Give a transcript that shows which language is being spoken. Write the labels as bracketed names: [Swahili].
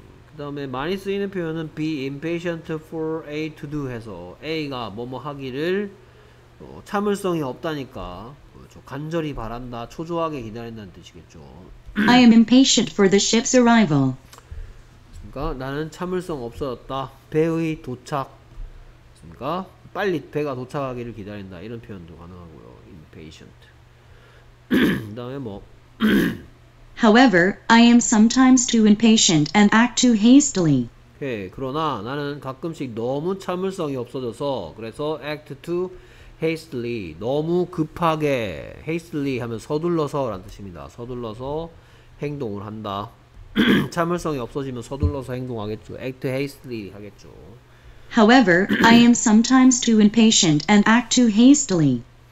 [Korean] 그 다음에 많이 쓰이는 표현은 be impatient for A to do 해서 A가 뭐뭐 하기를 참을성이 없다니까 간절히 바란다, 초조하게 기다린다는 뜻이겠죠. [English] I am impatient for the ship's arrival. [Korean] 그러니까 나는 참을성 없어졌다. 배의 도착. 그러니까 빨리 배가 도착하기를 기다린다. 이런 표현도 가능하고요. impatient. 그 다음에 뭐 [English] However, I am sometimes too impatient and act too hastily. [Korean] Okay, 그러나 나는 가끔씩 너무 참을성이 없어져서 그래서 act too hastily, 너무 급하게 hastily 하면 서둘러서라는 뜻입니다. 서둘러서 행동을 한다. 참을성이 없어지면 서둘러서 행동하겠죠. [English] act hastily 하겠죠. However, I am sometimes too impatient and act too hastily.